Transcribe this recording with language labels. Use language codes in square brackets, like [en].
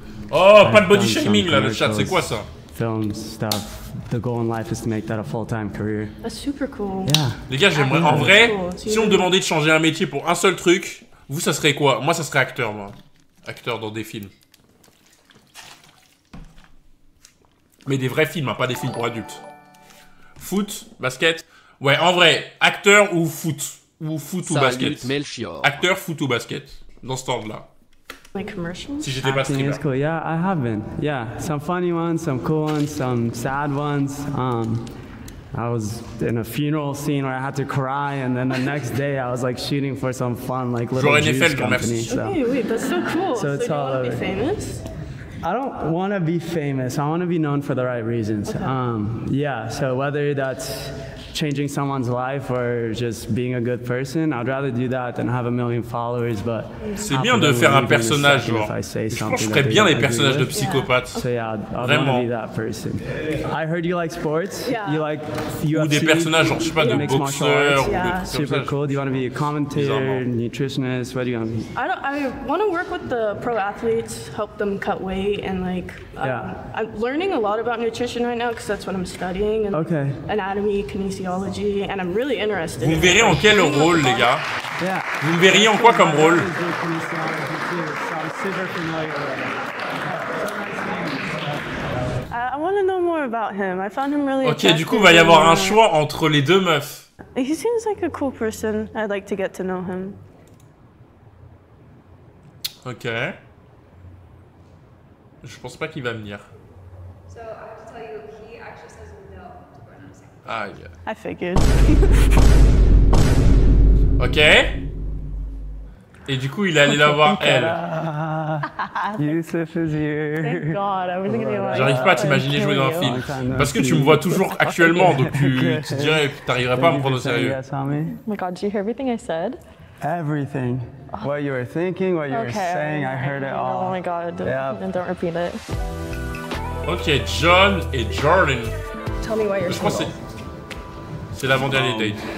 [fr] Oh, pas de body shaming là, le chat, c'est quoi ça? [en] Film stuff. The goal in life is to make that a full-time career. That's super cool. Yeah. [fr] Les gars, j'aimerais en vrai, si on me demandait de changer un métier pour un seul truc, vous ça serait quoi? Moi ça serait acteur moi. Acteur dans des films. Mais des vrais films, hein, pas des films pour adultes. Foot, basket. Ouais, en vrai, acteur ou foot ou basket. Salut Melchior. Acteur, foot ou basket dans ce temps-là. [en] Like commercials? Si acting is cool. Yeah, I have been. Yeah, some funny ones, some cool ones, some sad ones. I was in a funeral scene where I had to cry, and then the next day I was like shooting for some fun, like little juice NFL company. So. Okay, wait, that's so cool. So, it's so all you want to be famous? I don't want to be famous. I want to be known for the right reasons. Okay. Yeah, so whether that's changing someone's life or just being a good person, I'd rather do that than have a million followers, but [fr] c'est bien de faire un personnage, genre. Je pense que je ferais bien les personnages de psychopathes. [en] So yeah, I'd rather be that person. I heard you like sports. Yeah. You like UFC. [fr] Ou des personnages, genre, je sais pas, de boxeurs. [en] Yeah. Super cool. Do you want to be a commentator, nutritionist? What do you want to be? I want to work with the pro athletes, help them cut weight, and like, I'm learning a lot about nutrition right now because that's what I'm studying. And okay. Anatomy, kinesiology, and I'm really interested. [fr] Vous me verrez en quel rôle, les gars? [en] Yeah. [fr] Vous me verriez en quoi comme rôle? [en] I want to know more about him. I found him really. [fr] Okay, du coup, va y avoir un choix entre les deux meufs. [en] He seems like a cool person. I'd like to get to know him. Okay. [fr] Je pense pas qu'il va venir. [en] So, I have to tell you, he actually says no to pronouncing. Ah, yeah. I figured. Ok. [fr] Et du coup, il est allé la voir, elle. [en] Youssef is here. Thank God, I wasn't gonna be like, [fr] j'arrive pas à t'imaginer jouer dans un film. Parce que tu me vois toujours actuellement, donc tu dirais que t'arriverais pas à me prendre au sérieux. [en] Oh my God, did you hear everything I said? Everything. What you were thinking, what you were saying, I heard it all. Oh my God, don't repeat it. [fr] Ok, John et Jordan. [en] Tell me why you're single. [fr] Je pense que c'est... C'est l'avant-dernier date.